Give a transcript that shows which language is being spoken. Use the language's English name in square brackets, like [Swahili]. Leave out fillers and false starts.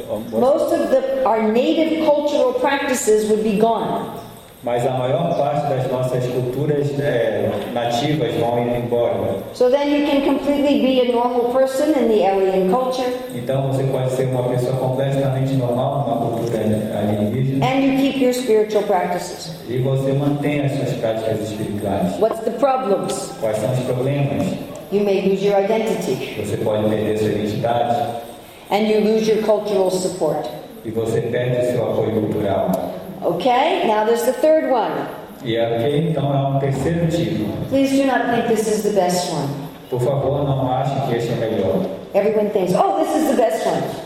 [English] most of our native cultural practices would be gone. [Portuguese] Mas a maior parte das nossas culturas nativas vão indo embora. [English] So then you can completely be a normal person in the alien culture. [Portuguese] Então você pode ser uma pessoa completamente normal numa cultura alienígena. [English] And you keep your spiritual practices. [Portuguese] E você mantém as suas práticas espirituais. [English] What's the problems? [Portuguese] Quais são os problemas? [English] You may lose your identity. [Portuguese] Você pode perder sua identidade. [English] And you lose your cultural support. [Portuguese] E você perde seu apoio cultural. [English] Okay, now there's the third one. [Portuguese] Yeah, okay, então é um terceiro tipo. [English] Please do not think this is the best one. [Portuguese] Por favor, não ache que esse é o melhor. [English] Everyone thinks, oh, this is the best one.